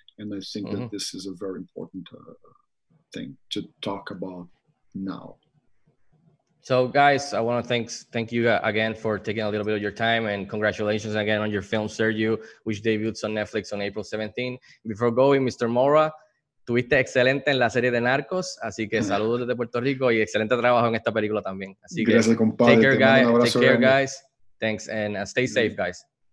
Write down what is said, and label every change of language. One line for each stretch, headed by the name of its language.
English: And I think that this is a very important thing to talk about now. So guys, I want to thank you again for taking a little bit of your time, and congratulations again on your film, Sergio, which debuts on Netflix on April 17. Before going, Mr.
Spanish: Moura, tuviste excelente en la serie de Narcos, así que saludos desde Puerto Rico y excelente trabajo en esta película también. Así que, gracias, compadre.
English: Take care, guys. Thanks, and stay safe, guys.